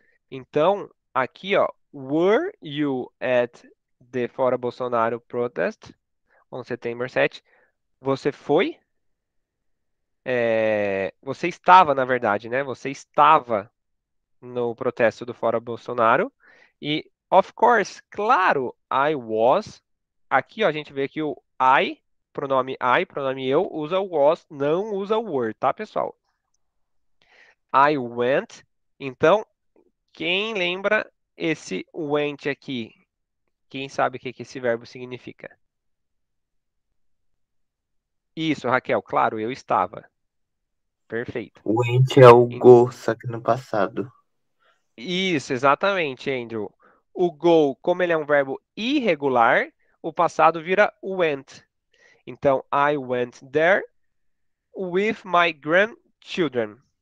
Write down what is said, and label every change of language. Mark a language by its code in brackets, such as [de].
[pt] Então, aqui, ó, [en] were you at the Fora Bolsonaro protest on September 7? [pt] Você foi? Você estava, na verdade, né? Você estava no protesto do Fora Bolsonaro. [en] E, of course, [pt] claro, [en] I was. [pt] Aqui, ó, a gente vê que o I, pronome I, pronome eu, usa o was, não usa o were, tá, pessoal? [en] I went. [pt] Então, quem lembra esse went aqui? Quem sabe o que que esse verbo significa? Isso, Raquel, claro, eu estava. Perfeito. O ente é o go, só que no passado. Isso, exatamente, Andrew. O go, como ele é um verbo irregular, o passado vira went. Então, [en] I went there with my grandchildren.